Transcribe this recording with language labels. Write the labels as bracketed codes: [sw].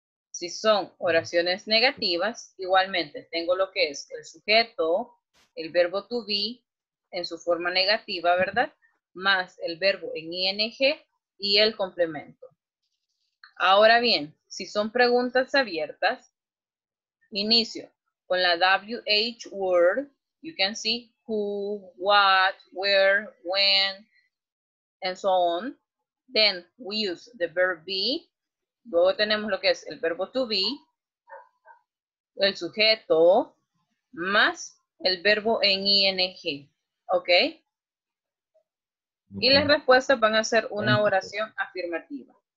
[es] Si son oraciones negativas, igualmente tengo lo que es el sujeto, el verbo to be en su forma negativa, ¿verdad? Más el verbo en ing y el complemento. Ahora bien, si son preguntas abiertas, inicio con la WH word. [en] You can see who, what, where, when, and so on. Then we use the verb be. [es] Luego tenemos lo que es el verbo to be, el sujeto, más el verbo en ing. Okay? ¿Ok? Y las respuestas van a ser una oración afirmativa.